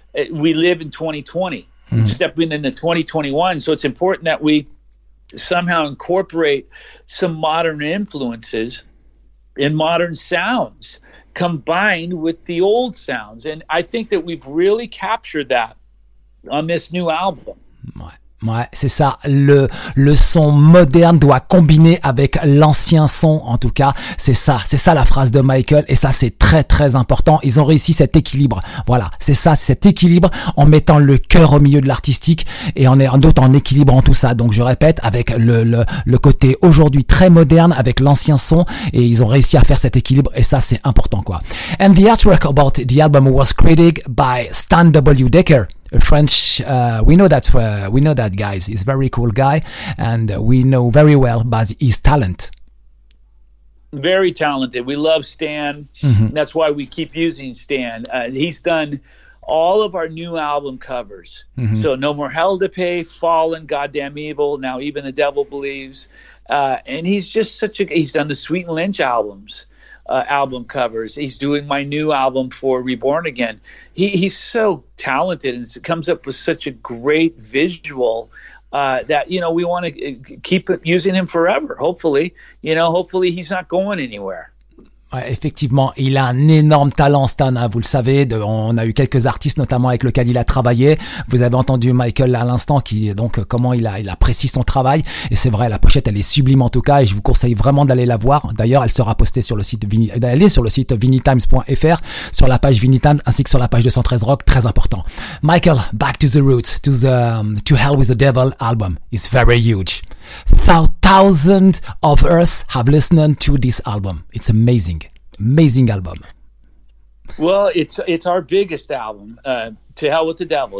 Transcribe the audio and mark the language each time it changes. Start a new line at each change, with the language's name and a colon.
English: We live in 2020, stepping into 2021. So it's important that we somehow incorporate some modern influences and modern sounds combined with the old sounds. And I think that we've really captured that on this new album.
French: Ouais, Ouais, c'est ça. Le son moderne doit combiner avec l'ancien son, en tout cas. C'est ça. C'est ça la phrase de Michael. Et ça, c'est très, très important. Ils ont réussi cet équilibre. Voilà. C'est ça, cet équilibre en mettant le cœur au milieu de l'artistique et en étant en équilibrant tout ça. Donc, je répète, avec le côté aujourd'hui très moderne avec l'ancien son, et ils ont réussi à faire cet équilibre. Et ça, c'est important, quoi.
English: And the artwork about the album was created by Stan W. Decker. A French, we know that guys. He's a very cool guy, and we know very well about his talent. Very talented. We love Stan. Mm-hmm. That's why we keep using Stan. He's done all of our new album covers. Mm-hmm. So No More Hell to Pay, Fallen, Goddamn Evil, Now Even the Devil Believes. And he's just such a, he's done the Sweet and Lynch albums. Album covers. He's doing my new album for Reborn Again. He's so talented and comes up with such a great visual that, you know, we want to keep using him forever, hopefully. You know, hopefully he's not going anywhere.
French: Ouais, effectivement, il a un énorme talent, Stan, hein, vous le savez. On a eu quelques artistes, notamment avec lequel il a travaillé. Vous avez entendu Michael là, à l'instant, qui donc comment il apprécie son travail. Et c'est vrai, la pochette, elle est sublime en tout cas. Et je vous conseille vraiment d'aller la voir. D'ailleurs, elle sera postée sur le site vinitimes.fr, sur la page Vinitimes, ainsi que sur la page 213 Rock. Très important.
English: Michael, Back to the Roots, to Hell with the Devil album is very huge. Thousands of us have listened to this album. It's amazing. Amazing album. Well, it's our biggest album, To Hell with the Devil.